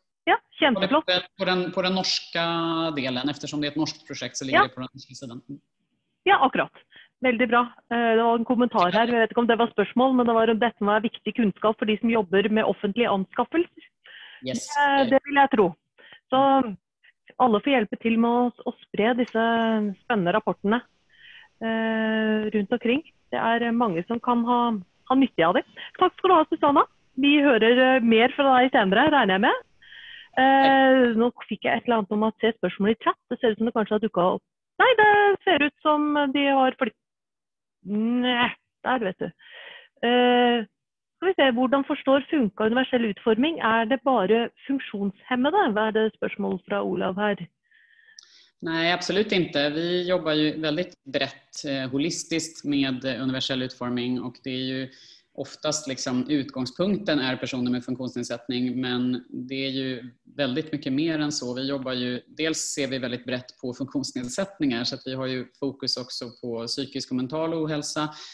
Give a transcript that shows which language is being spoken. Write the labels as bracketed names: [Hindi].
[Swedish] Ja, jätteflott. På den norska delen, eftersom det är ett norskt projekt, så ligger det på den norska sidan. [Norwegian] Ja, akkurat. [Swedish] Väldigt bra. Det var en kommentar här. Jag vet inte om det var spörsmål, men det var om detta var viktig kunskap för de som jobbar med offentlig anskaffelse. [English] Yes. [Swedish] Det vill jag tro. [Norwegian] Så alle får hjelpe til med å spre disse spennende rapportene rundt omkring. Det er mange som kan ha nytte av det. Takk skal du ha, Susanna. Vi hører mer fra deg senere, regner jeg med. Nå fikk jeg et eller annet om å se spørsmålet i chat. Det ser ut som det kanskje har dukket opp. Nei, det ser ut som de har flyttet. Nei, der vet du. Skal vi se, hvordan forstår funka universell utforming? Er det bare funksjonshemmede? Hva det spørsmålet fra Olav her? [Swedish] Nej, absolut inte. Vi jobbar ju väldigt brett, holistiskt med universell utforming, och det är ju oftast liksom utgångspunkten är personer med funktionsnedsättning, men det är ju väldigt mycket mer än så. Vi jobbar ju, dels ser vi väldigt brett på funktionsnedsättningar, så att vi har ju fokus också på psykisk och mental ohälsa.